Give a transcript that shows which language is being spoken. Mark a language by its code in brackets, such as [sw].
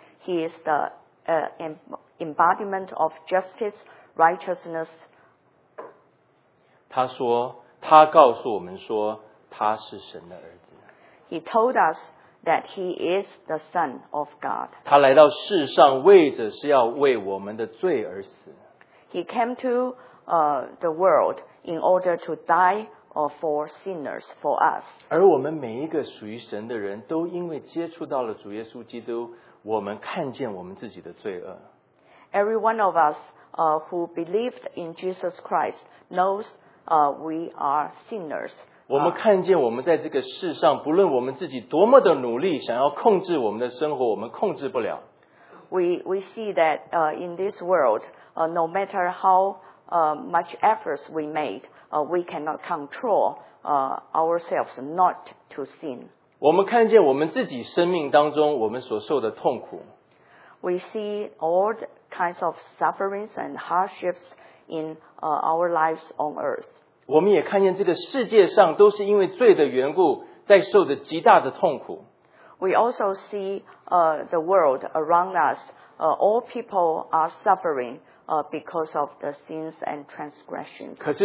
[en] He is the embodiment of justice, righteousness. [zh] 他说，他告诉我们说，他是神的儿子。 [en] He told us that he is the Son of God. [zh] 他来到世上，为的是要为我们的罪而死。 [en] He came to the world in order to die for sinners, for us. [zh] 而我们每一个属于神的人，都因为接触到了主耶稣基督，我们看见我们自己的罪恶。 [en] Every one of us who believed in Jesus Christ knows we are sinners. [zh] 我们看见我们在这个世上，不论我们自己多么的努力，想要控制我们的生活，我们控制不了。 [en] We see that in this world, no matter how much efforts we make, we cannot control ourselves not to sin. [zh] 我们看见我们自己生命当中我们所受的痛苦。 [en] We see all the kinds of sufferings and hardships in our lives on earth. [zh] 我们也看见这个世界上都是因为罪的缘故在受着极大的痛苦。 [en] We also see the world around us. All people are suffering because of the sins and transgressions.